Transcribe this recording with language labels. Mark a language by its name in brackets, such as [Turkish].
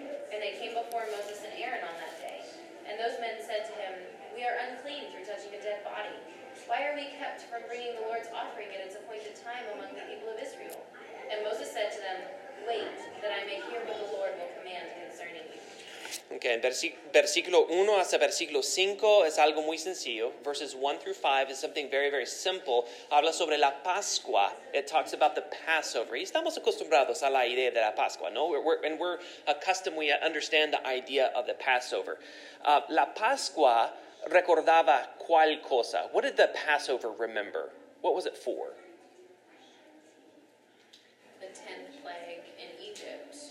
[English] And they came before Moses and Aaron on that day. And those men said to him, "We are unclean through touching a dead body. Why are we kept from bringing the Lord's offering at its appointed time among the people of Israel?" And Moses said to them, "Wait, that I may hear what the Lord will command concerning you." [Spanish] Okay, versículo 1 hasta versículo 5 es algo muy sencillo. [English] Verses 1 through 5 is something very, very simple. [Spanish] Habla sobre la Pascua. [English] It talks about the Passover. [Spanish] Y estamos acostumbrados a la idea de la Pascua, ¿no? [English] We're accustomed, we understand the idea of the Passover. [Spanish] La Pascua recordaba cuál cosa? [English] What did the Passover remember? What was it for? The 10th plague in Egypt.